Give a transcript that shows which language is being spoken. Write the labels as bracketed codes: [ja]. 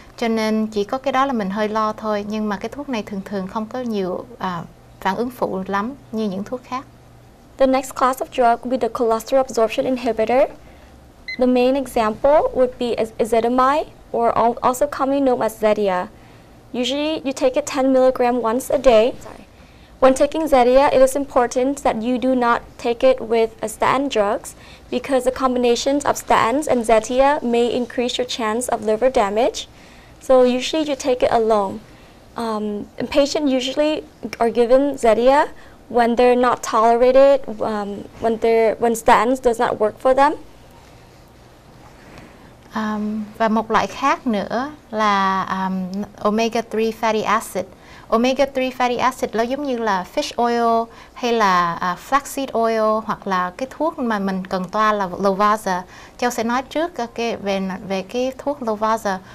[vi] Cho nên chỉ có cái đó là mình hơi lo thôi. Nhưng mà cái thuốc này thường không có nhiều phản ứng phụ lắm như những thuốc khác. [en] The next class of drug would be the cholesterol absorption inhibitor. The main example would be ezetimibe, or also commonly known as Zetia. Usually you take it 10 milligram once a day. When taking Zetia, it is important that you do not take it with statin drugs, because the combinations of statins and Zetia may increase your chance of liver damage. So usually you take it alone. Patients usually are given Zetia when they're not tolerated, when statins does not work for them. [vi] Và một loại khác nữa là omega 3 fatty acid. Omega 3 fatty acid nó giống như là fish oil hay là flaxseed oil, hoặc là cái thuốc mà mình cần toa là Lovaza. Châu sẽ nói trước về cái thuốc Lovaza.